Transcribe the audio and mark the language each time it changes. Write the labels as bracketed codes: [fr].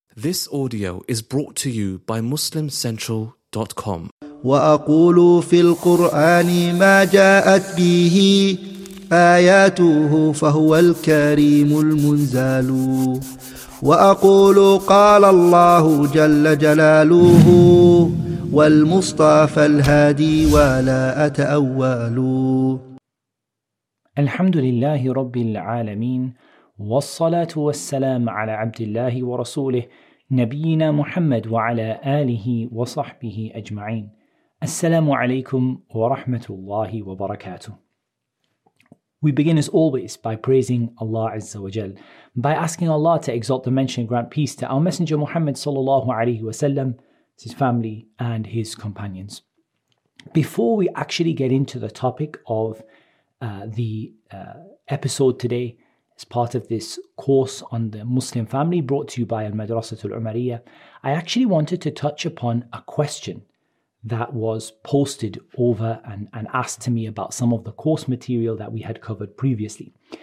[en] This audio is brought to you by MuslimCentral.com. [ar] وأقول في القرآن ما جاءت به آياته فهو الكريم المنزال. وأقول قال الله جل جلاله والمصطفى الهادي ولا أتأول. الحمد لله رب العالمين والصلاة والسلام على عبد الله ورسوله نبينا محمد وعلى آله وصحبه أجمعين. السلام عليكم ورحمة الله وبركاته. [en] We begin as always by praising Allah Azza wa Jal, by asking Allah to exalt the mention and grant peace to our Messenger Muhammad sallallahu alayhi wa sallam, his family and his companions. Before we actually get into the topic of the episode today, as part of this course on the Muslim family brought to you by Al-Madrasatul Umariyya, I actually wanted to touch upon a question that was posted over and asked to me about some of the course material that we had covered previously.